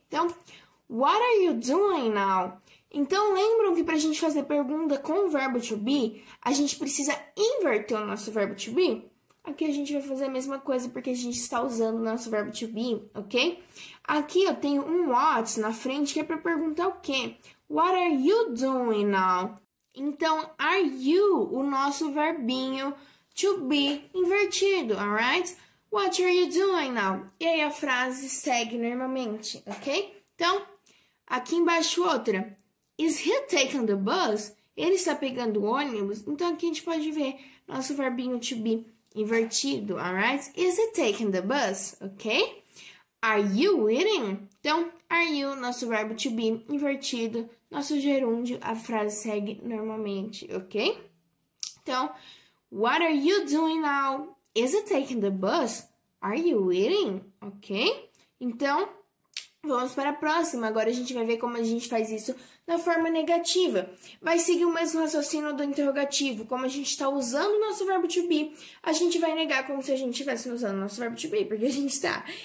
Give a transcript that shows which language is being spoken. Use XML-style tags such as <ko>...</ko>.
<en>Então, what are you doing now?</en> <pt>Então, lembram que para a gente fazer pergunta com o verbo to be, a gente precisa inverter o nosso verbo to be? Aqui a gente vai fazer a mesma coisa porque a gente está usando o nosso verbo to be, ok? Aqui eu tenho um what na frente que é para perguntar o quê?</pt> <en>What are you doing now?</en> <pt>Então, are you o nosso verbinho to be invertido, alright?</pt> <en>What are you doing now?</en> <pt>E aí a frase segue normalmente, ok? Então, aqui embaixo outra.</pt> <en>Is he taking the bus?</en> <pt>Ele está pegando o ônibus? Então aqui a gente pode ver nosso verbinho to be invertido, alright?</pt> <en>Is he taking the bus? Ok? Are you eating?</en> <pt>Então, are you, nosso verbo to be invertido, nosso gerúndio, a frase segue normalmente, ok?</pt> <en>Então, what are you doing now? Is he taking the bus? Are you eating? Ok?</en> <pt>Então, vamos para a próxima. Agora a gente vai ver como a gente faz isso na forma negativa. Vai seguir o mesmo raciocínio do interrogativo. Como a gente está usando o nosso verbo to be, a gente vai negar como se a gente estivesse usando o nosso verbo to be, porque a gente está.</pt>